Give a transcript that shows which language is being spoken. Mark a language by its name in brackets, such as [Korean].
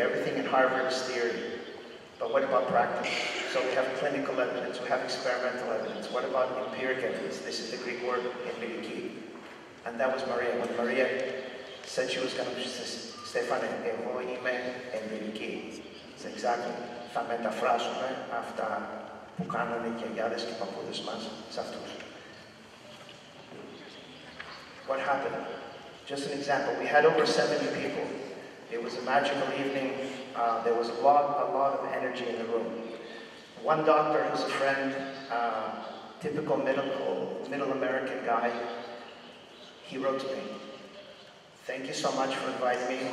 [English] Everything in Harvard is theory. But what about practice? So we have clinical evidence, we have experimental evidence. What about empiric evidence? This is the Greek word, empiriki. And that was Maria. When Maria said she was going to say, Stefanos, [Greek] εγώ είμαι empiriki. [English] It's exactly. [Greek] Θα μεταφράσουμε αυτά που κάνουν οι γιαγιάδες και οι παππούδες μας σε αυτούς. [English] What happened? Just an example, we had over 70 people. It was a magical evening. There was a lot of energy in the room. One doctor who's a friend, typical middle American guy, he wrote to me, thank you so much for inviting me.